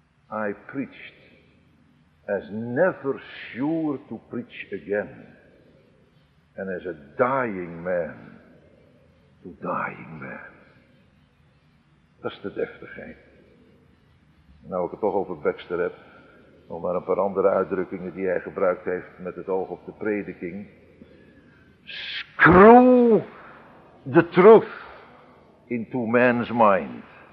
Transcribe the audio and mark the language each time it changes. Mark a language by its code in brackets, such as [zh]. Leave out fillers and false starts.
[en] I preached as never sure to preach again. And as a dying man to dying man. [nl] Dat is de deftigheid. Nou, ik het toch over Baxter heb, nog maar een paar andere uitdrukkingen die hij gebruikt heeft met het oog op de prediking. [en] Screw the truth into man's mind.